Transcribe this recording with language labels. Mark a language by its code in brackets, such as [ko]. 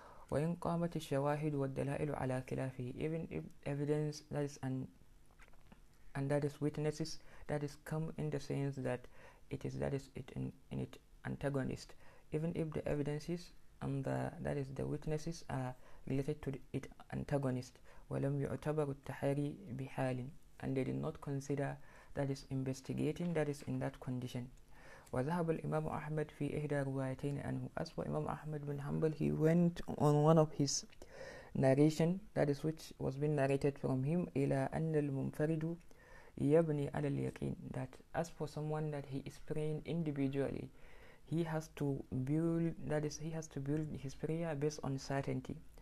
[ar] وإن قامت الشواهد والدلائل على خلافه, [en] even if evidence that is and that is witnesses that is come in the sense that it is, that is it in it antagonist, even if the evidences and the, that is the witnesses are related to the, it antagonist, [ar] ولم يعتبر التحري بحال, [en] and they did not consider that is investigating, that is in that condition. [ar] وذهب الإمام أحمد في إحدى روايتين أنه أسوأ. [en] Imam Ahmad bin Hanbal, he went on one of his narration, that is which was being narrated from him, [ar] إلى أن المنفرد يبني على اليقين, [en] that as for someone that he is praying individually, he has to build, that is he has to build his prayer based on certainty.